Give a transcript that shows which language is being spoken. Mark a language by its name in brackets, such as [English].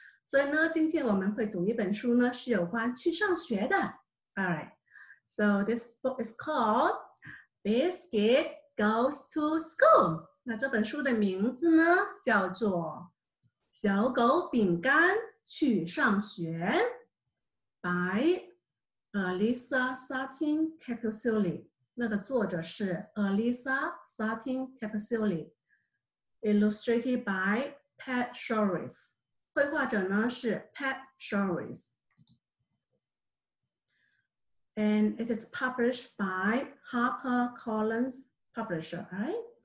[Chinese] 所以呢，今天我们会读一本书呢，是有关去上学的。 [English] All right. So this book is called Biscuit Goes to School. [Chinese] 那这本书的名字呢，叫做《小狗饼干去上学》by。 [English] Alisa Satin Capuzzoli [Chinese] 那个作者是 [English] Alisa Satin Capuzzoli Illustrated by Pat Shores [Chinese] 绘画者呢是 [English] Pat Shores And it is published by HarperCollins Publisher、right?